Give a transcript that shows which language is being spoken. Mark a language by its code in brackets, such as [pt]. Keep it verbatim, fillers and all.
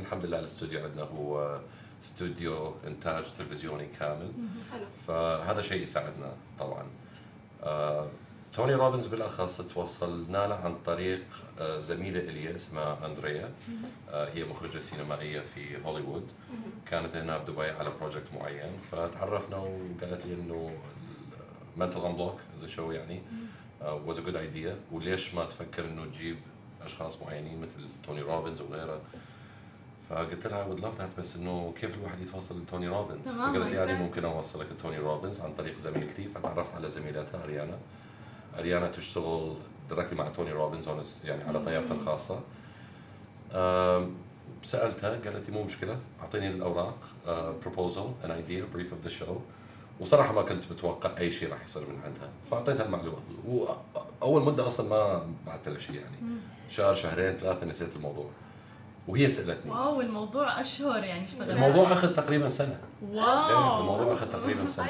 [ar] الحمد لله الاستوديو عندنا هو استوديو إنتاج تلفزيوني كامل، فهذا شيء يساعدنا طبعاً. آه، توني روبنز بالأخص توصلنا له عن طريق آه، زميلة إلي اسمها أندريا، آه، هي مخرجة سينمائية في هوليوود، كانت هنا بدبي على بروجكت معين، فتعرفنا وقالت لي إنه [en] mental unblock as a show يعني uh, was a good idea. [ar] وليش ما تفكر إنه تجيب أشخاص معينين مثل توني روبنز وغيره؟ فقلت لها [en] I would love that [ar] بس إنه كيف الواحد يتوصل لتوني روبنز؟ فقالت لي أنا ممكن أوصلك لتوني روبنز عن طريق زميلتي. فتعرفت على زميلتها أريانا. أريانا تشتغل directly مع توني روبنز يعني على طيارته الخاصة. سألتها قالت لي مو مشكلة أعطيني الأوراق uh, [en] proposal, an idea, brief of the show. [ar] وصراحة ما كنت متوقع أي شيء راح يصير من عندها. فأعطيتها المعلومة وأول مدة أصلا ما بعت لها شيء يعني شهر شهرين ثلاثة نسيت الموضوع وهي سألتني. واو الموضوع أشهر يعني اشتغلت. الموضوع أخذ تقريبا سنة. واو. الموضوع أخذ تقريبا سنة.